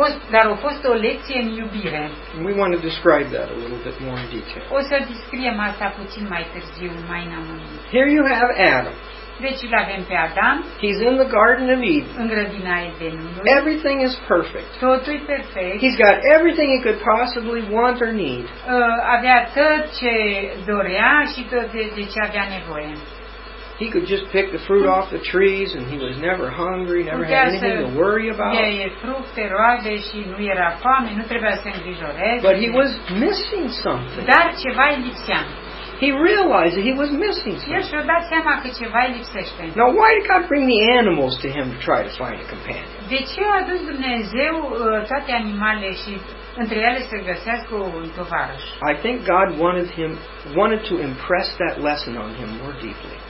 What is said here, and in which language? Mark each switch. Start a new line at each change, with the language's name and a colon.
Romanian: Dar a fost o lecție în iubire.
English: We want to describe that a little bit more in detail.
Romanian: O să descriem asta puțin mai târziu, mai în amănunt.
English: Here you have Adam.
Romanian: Deci îl avem pe Adam.
English: He's in the Garden of Eden.
Romanian: În grădina Edenului.
English: Everything is perfect.
Romanian: Totul e perfect.
English: He's got everything he could possibly want or need.
Romanian: Avea tot ce dorea și tot de ce avea nevoie.
English: He could just pick the fruit off the trees and he was never hungry, never had anything to worry about.
Romanian: Putea să ia fructe, roade și nu era foame, nu trebuia să se îngrijoreze.
English: But he was missing something.
Romanian: Dar ceva îi lipsea.
English: He realized that he was missing something.
Romanian: Și-a dat seama că ceva îi lipsește.
English: Now why did God bring the animals to him to try to find a companion?
Romanian: De ce a adus Dumnezeu toate animalele și între ele să găsească un tovarăș?
English: I think God wanted to impress that lesson on him more deeply.